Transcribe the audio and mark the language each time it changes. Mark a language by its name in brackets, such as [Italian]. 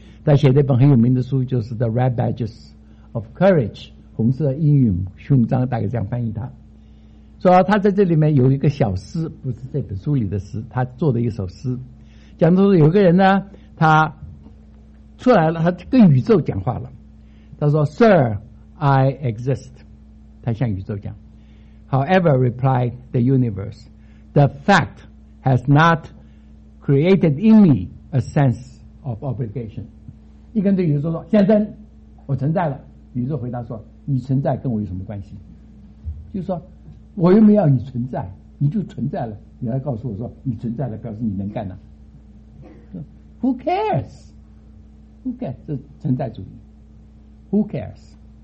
[Chinese] 他写的一本很有名的书就是 The Red Badges of Courage， 红色英勇勋章，大概这样翻译他。说他在这里面有一个小诗，不是这本书里的诗，他做的一首诗，讲到有个人呢，他出来了，他跟宇宙讲话了。他说 [English] Sir, I exist， [Chinese] 他向宇宙讲。 [English] However, replied the universe, the fact has not created in me a sense of obligation。 [Chinese] 一跟对宇宙说，先生，我存在了。宇宙回答说，你存在跟我有什么关系？就是说我又没有你存在，你就存在了，你来告诉我说你存在了，表示你能干了。 [English] Who cares? Who cares? [Chinese] 这存在主义。 [English] Who cares?